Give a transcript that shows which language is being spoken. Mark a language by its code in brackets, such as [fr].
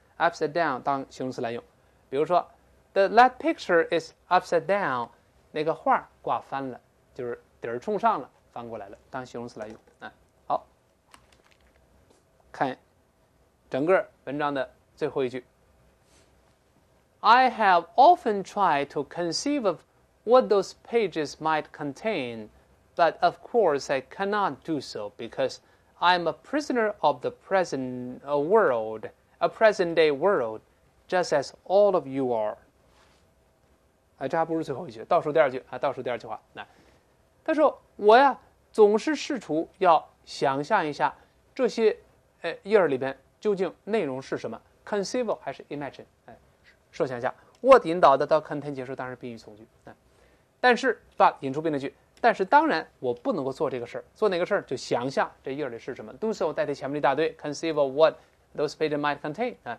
[zh] Upside down 当形容词来用，比如说 [en] The light picture is upside down， [zh] 那个画挂翻了，就是底儿冲上了，翻过来了，当形容词来用。好，看整个文章的最后一句。 [en] I have often tried to conceive of what those pages might contain, but of course I cannot do so because I am a prisoner of the present world, a present-day world, just as all of you are. [zh] 这还不是最后一句，倒数第二句，倒数第二句话。他说，我呀，总是试图要想象一下这些页里边究竟内容是什么， conceive 还是 imagine。设想一下 what 引导的到 contain 结束，当然宾语从句，但是 but 引出宾的句，但是当然我不能够做这个事，做哪个事就想象这页里是什么， do so 代替前面的大堆 [en] conceive of what those pages might contain、